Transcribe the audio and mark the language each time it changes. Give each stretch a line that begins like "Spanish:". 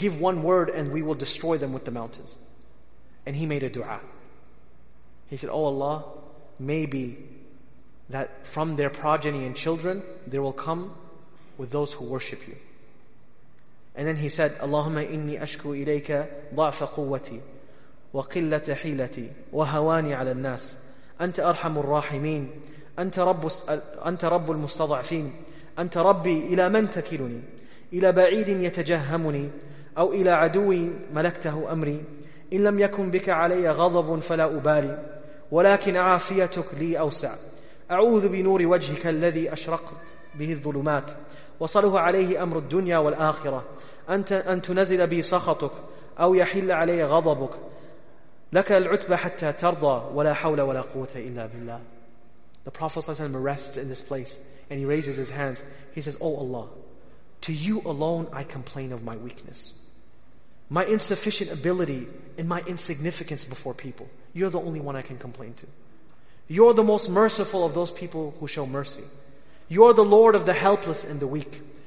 English: Give one word and we will destroy them with the mountains. And he made a dua. He said, oh Allah, maybe that from their progeny and children, there will come with those who worship you. And then he said,
Arabic: Allahumma inni ashku ilayka dha'fa quwwati. وقلة حيلتي وهواني على الناس أنت أرحم الراحمين أنت رب المستضعفين أنت ربي إلى من تكلني إلى بعيد يتجهمني أو إلى عدو ملكته أمري إن لم يكن بك علي غضب فلا أبالي ولكن عافيتك لي أوسع أعوذ بنور وجهك الذي أشرقت به الظلمات وصله عليه أمر الدنيا والآخرة أن تنزل بي سخطك أو يحل علي غضبك لك العتبة حتى ترضى ولا حول ولا قوة إلا بالله.
English: The Prophet ﷺ rests in this place and he raises his hands. He says, oh Allah, to you alone I complain of my weakness, my insufficient ability and my insignificance before people. You're the only one I can complain to. You're the most merciful of those people who show mercy. You're the Lord of the helpless and the weak.